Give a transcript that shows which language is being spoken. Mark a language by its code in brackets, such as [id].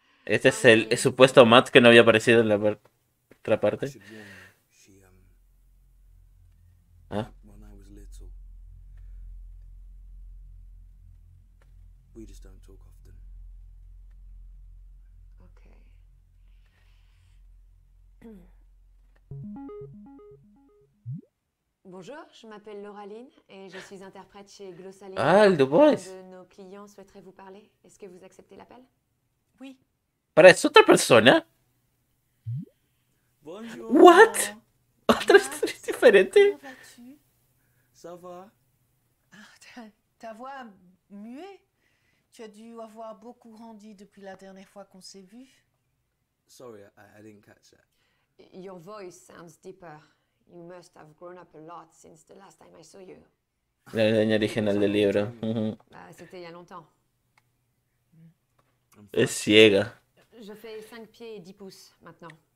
[es] Este es el supuesto Matt que no había aparecido en la otra parte. [en] When I was little, we just don't talk often. Okay. [fr] Bonjour, je m'appelle Loraline et je suis interprète chez Glossalia. Ah, le Du Bois. Nos clients souhaiteraient vous parler. Est-ce que vous acceptez l'appel? Oui. [es] Parece otra persona. [fr] Bonjour. [en] What? [es] Otra historia diferente. [fr] Ça va? Ah, ta voix a mué. Tu as dû avoir beaucoup grandi depuis la dernière fois qu'on s'est vu. [en] Sorry, I didn't catch that. Your voice sounds deeper. You must have grown up a lot since the last time I saw you. [es] La línea original del libro. [fr] C'était il y a longtemps. [es] Es ciega. [fr] Je fais 5 pieds et 10 pouces maintenant.